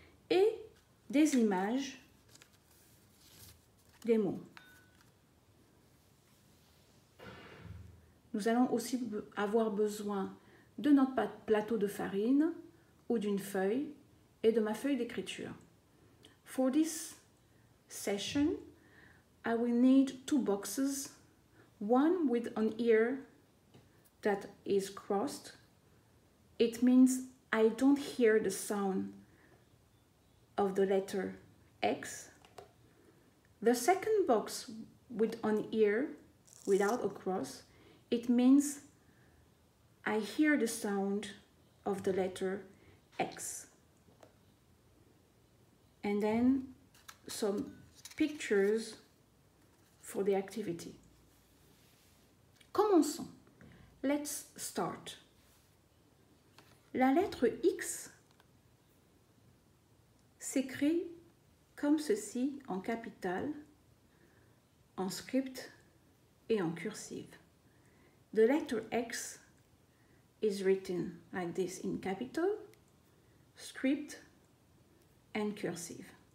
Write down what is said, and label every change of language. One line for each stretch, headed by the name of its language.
French: Et des images, des mots. Nous allons aussi avoir besoin de notre plateau de farine, ou d'une feuille et de ma feuille d'écriture.
English: For this session, I will need two boxes, one with an ear that is crossed. It means I don't hear the sound of the letter X. The second box with an ear without a cross, it means I hear the sound of the letter X. And then some pictures for the activity.
French: Commençons.
English: Let's start.
French: La lettre X s'écrit comme ceci en capital, en script et en cursive.
English: The letter X is written like this in capital, script and cursive.